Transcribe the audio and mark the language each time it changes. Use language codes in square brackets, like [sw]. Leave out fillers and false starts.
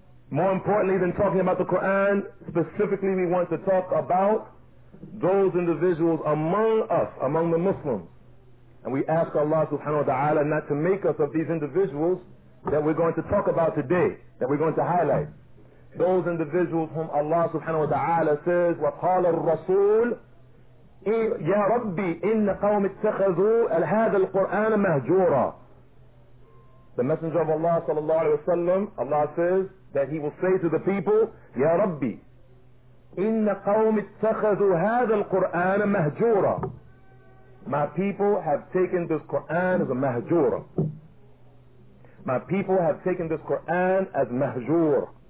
[en] More importantly than talking about the Qur'an, specifically we want to talk about those individuals among us, among the Muslims. And we ask Allah subhanahu wa ta'ala not to make us of these individuals that we're going to talk about today, that we're going to highlight. Those individuals whom Allah subhanahu wa ta'ala says, [ar] وَقَالَ الرَّسُولُ يا ربي إن قوم اتخذوا هذا القرآن مهجورا. [en] The messenger of Allah [ar] صلى الله عليه وسلم, [en] Allah says that He will say to the people, [ar] يا ربي إن قوم اتخذوا هذا القرآن مهجورا. [en] My people have taken this Quran as a مهجورا. My people have taken this Quran as مهجور.